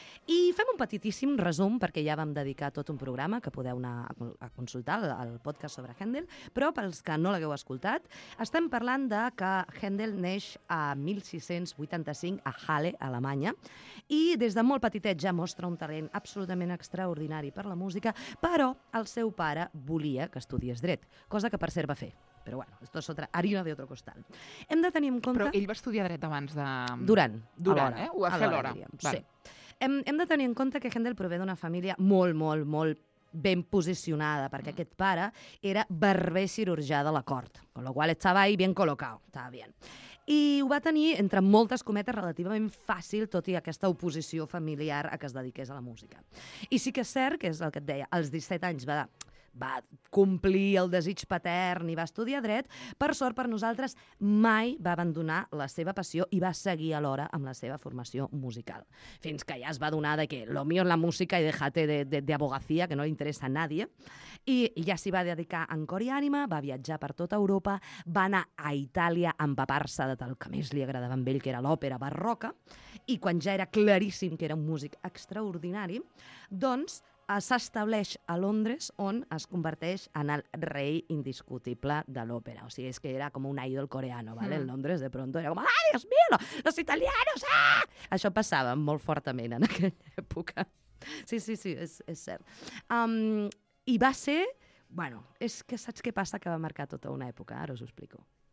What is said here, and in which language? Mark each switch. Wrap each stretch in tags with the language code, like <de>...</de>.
<ca>I fem un petitíssim resum, perquè ja vam dedicar tot un programa que podeu anar a consultar, el podcast sobre Händel, però pels que no l'hagueu escoltat, estem parlant de que Händel neix a 1685 a Halle, Alemanya, i des de molt petitet ja mostra un talent absolutament extraordinari per la música, però el seu pare volia que estudiés dret, cosa que per cert va fer.</ca> <es>Però bueno, esto es otra harina de otro costal.</es> <ca>Hem de tenir en compte... Però ell va estudiar dret abans de... Durant, a l'hora. Ho va fer a l'hora. Sí. Hem de tenir en compte que Händel prové d'una família molt, molt, molt ben posicionada, perquè aquest pare era barber cirurgià de la cort,</ca> <es>con lo cual estaba ahí bien colocado, estaba bien.</es> <ca>I ho va tenir, entre moltes cometes, relativament fàcil, tot i aquesta oposició familiar a que es dediqués a la música. I sí que és cert, que és el que et deia, als 17 anys va complir el desig patern i va estudiar dret. Per sort, per nosaltres, mai va abandonar la seva passió i va seguir alhora amb la seva formació musical. Fins que ja es va adonar de que</ca> <es>lo mío es la música y déjate de abogacía, que no le interesa a nadie.</es> <ca>I ja s'hi va dedicar en cor i ànima, va viatjar per tota Europa, va anar a Itàlia a empapar-se de tal que més li agradava a ell, que era l'òpera barroca, i quan ja era claríssim que era un músic extraordinari, doncs, s'estableix a Londres, on es converteix en el rei indiscutible de l'òpera. O sigui, és que era com un ídol coreano, ¿vale?</ca> <es>En Londres, de pronto,</es> <ca>era com,</ca> <es>¡ay, Dios mío, los italianos! ¡Ah!</es> <ca>Això passava molt fortament en aquella època. Sí, sí, sí, és cert. I va ser... Bueno, és que saps què passa? Que va marcar tota una època, ara us ho explico.</ca>